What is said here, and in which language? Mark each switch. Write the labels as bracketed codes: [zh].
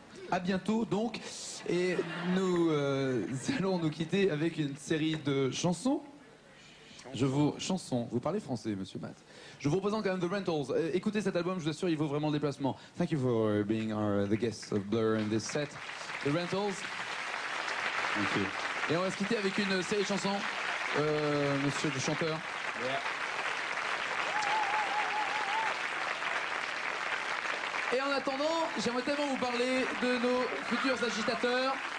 [fr] À bientôt, donc. Et nous allons nous quitter avec une série de chansons. Vous parlez français, monsieur Matt. Je vous représente quand même The Rentals. Écoutez cet album, je vous assure, il vaut vraiment le déplacement. [en] Thank you for being the guest of Blur in this set. The Rentals. Thank you. [fr] Et on va se quitter avec une série de chansons, monsieur le chanteur. [en] Yeah. [fr] Et en attendant, j'aimerais tellement vous parler de nos futurs agitateurs.